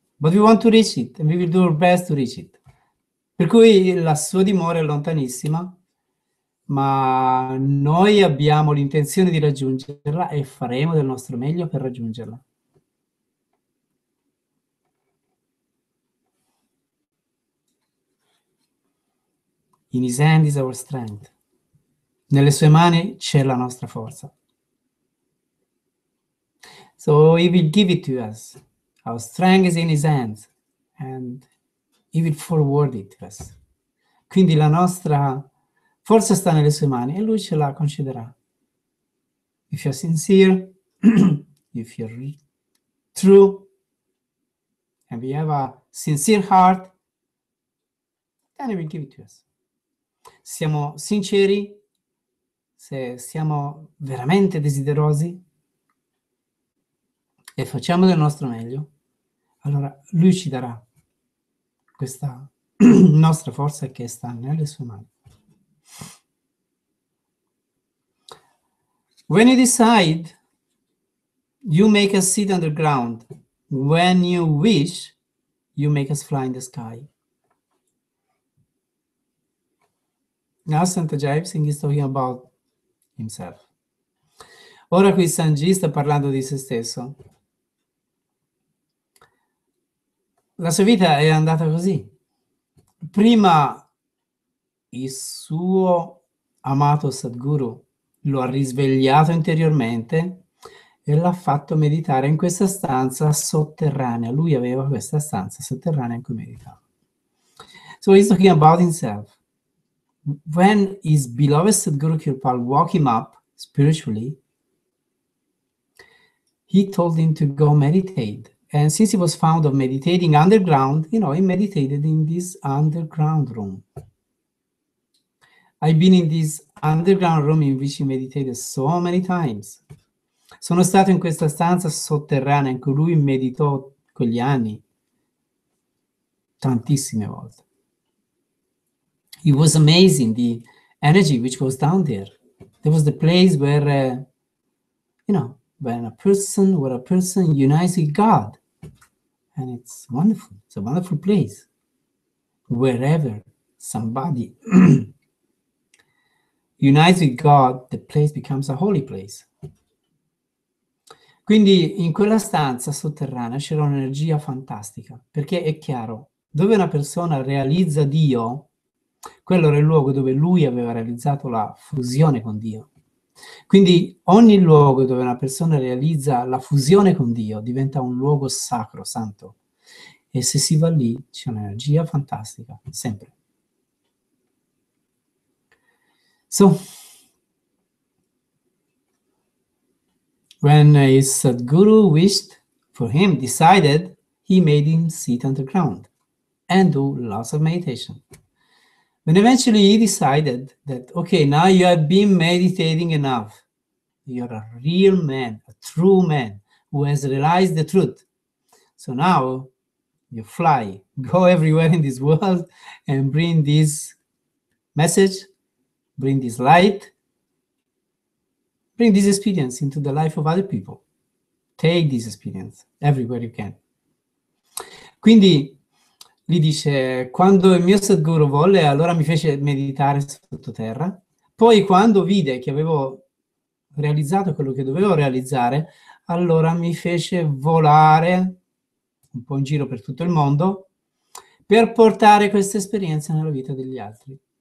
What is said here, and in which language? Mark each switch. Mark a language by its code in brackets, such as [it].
[en] But we want to reach it and we will do our best to reach it. [it] Per cui la sua dimora è lontanissima, ma noi abbiamo l'intenzione di raggiungerla e faremo del nostro meglio per raggiungerla. [en] In his hand is our strength. [it] Nelle sue mani c'è la nostra forza. [en] So he will give it to us. Our strength is in his hands and he will forward it to us. Quindi la nostra forza sta nelle sue mani e lui ce la concederà. If you're sincere, if you're true, and we have a sincere heart, then he will give it to us. Siamo sinceri, se siamo veramente desiderosi e facciamo del nostro meglio, allora lui ci darà questa nostra forza che sta nelle sue mani. When you decide, you make us sit on the ground. When you wish, you make us fly in the sky. Now Santa Jai Singh is talking about himself. [it] Ora qui Sanji sta parlando di se stesso. La sua vita è andata così. Prima il suo amato Sadguru lo ha risvegliato interiormente e l'ha fatto meditare in questa stanza sotterranea. Lui aveva questa stanza sotterranea in cui meditava. [en] So he's talking about himself. When his beloved Sadguru Kirpal woke him up spiritually, he told him to go meditate. And since he was found of meditating underground, you know, he meditated in this underground room. I've been in this underground room in which he meditated so many times. [it] Sono stato in questa stanza sotterranea in cui lui meditò quegli anni tantissime volte. [en] It was amazing, the energy which was down there. There was the place where, you know, when a person, where a person unites with God. And it's wonderful. It's a wonderful place. Wherever somebody unites with God, the place becomes a holy place. [it] Quindi in quella stanza sotterranea c'era un'energia fantastica. Perché è chiaro, dove una persona realizza Dio, quello era il luogo dove lui aveva realizzato la fusione con Dio. Quindi ogni luogo dove una persona realizza la fusione con Dio diventa un luogo sacro, santo. E se si va lì, c'è un'energia fantastica, sempre. [en] So, when his Sadguru wished for him, decided, he made him sit on the ground and do lots of meditation. When eventually he decided that, okay, now you have been meditating enough. You're a real man, a true man, who has realized the truth. So now, you fly, go everywhere in this world and bring this message, bring this light, bring this experience into the life of other people. Take this experience everywhere you can. [it] Quindi, lui dice, quando il mio Sadguru volle, allora mi fece meditare sottoterra. Poi quando vide che avevo realizzato quello che dovevo realizzare, allora mi fece volare un po' in giro per tutto il mondo per portare questa esperienza nella vita degli altri.